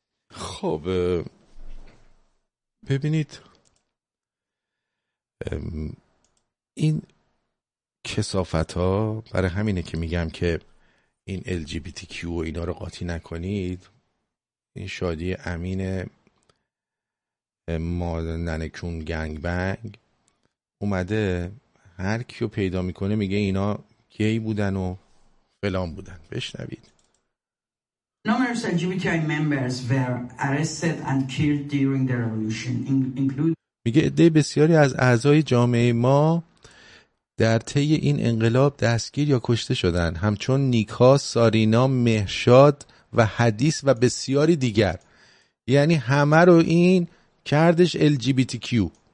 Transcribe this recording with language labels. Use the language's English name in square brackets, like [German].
[Persian] خب ببینید این کثافت ها، برای همینه که میگم که این LGBTQ و اینا رو قاطی نکنید. این شادی امین ماننکون گنگ بنگ اومده هر کیو پیدا میکنه میگه اینا گی بودن و فلان بودن. بشنوید. [English] Numerous LGBTI members were arrested and killed during the revolution, including. [Persian] میگه عده بسیاری از اعضای جامعه ما در طی این انقلاب دستگیر یا کشته شدن، همچون نیکا، سارینا، مهشاد و حدیث و بسیاری دیگر. یعنی همه رو این کردش LGBTQ.